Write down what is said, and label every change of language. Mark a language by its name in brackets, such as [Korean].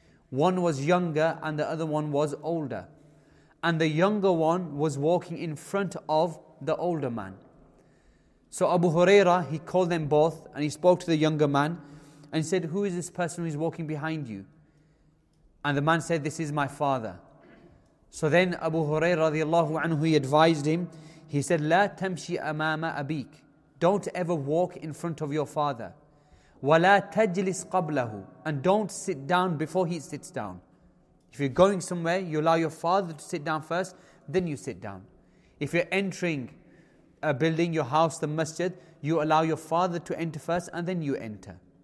[English] One was younger and the other one was older. And the younger one was walking in front of the older man. So Abu Huraira, he called them both and he spoke to the younger man and he said, who is this person who is walking behind you? And the man said, this is my father. So then Abu Huraira radiallahu anhu, he advised him. He said, [Arabic] لا تمشي أمام أبيك. [English] Don't ever walk in front of your father. [Arabic] ولا تجلس قبله. [English] And don't sit down before he sits down. If you're going somewhere, you allow your father to sit down first, then you sit down. If you're entering a building, your house, the masjid, you allow your father to enter first and then you enter.